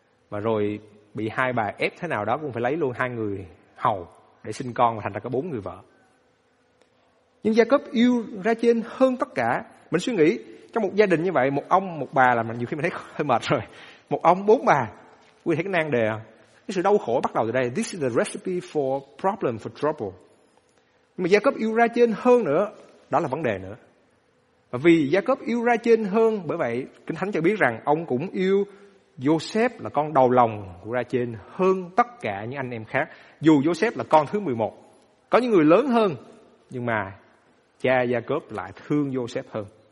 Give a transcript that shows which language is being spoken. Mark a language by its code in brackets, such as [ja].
[vi] Và rồi bị hai bà ép thế nào đó cũng phải lấy luôn hai người hầu để sinh con, và thành ra có 4 người vợ. Nhưng Gia-cốp yêu Ra-chên hơn tất cả. Mình suy nghĩ trong một gia đình như vậy, một ông một bà là nhiều khi mình thấy hơi mệt rồi. Một ông 4 bà, quý vị thấy cái nan đề không? Cái sự đau khổ bắt đầu từ đây. [en] This is the recipe for problem, for trouble. [vi] Nhưng mà Gia-cốp yêu Ra-chên hơn nữa, đó là vấn đề nữa. Và vì Gia-cốp yêu Ra-chên hơn, bởi vậy Kinh Thánh cho biết rằng ông cũng yêu Joseph là con đầu lòng của Ra-chên hơn tất cả những anh em khác. Dù Joseph là con thứ 11, có những người lớn hơn, nhưng mà cha Gia-cốp lại thương Joseph hơn.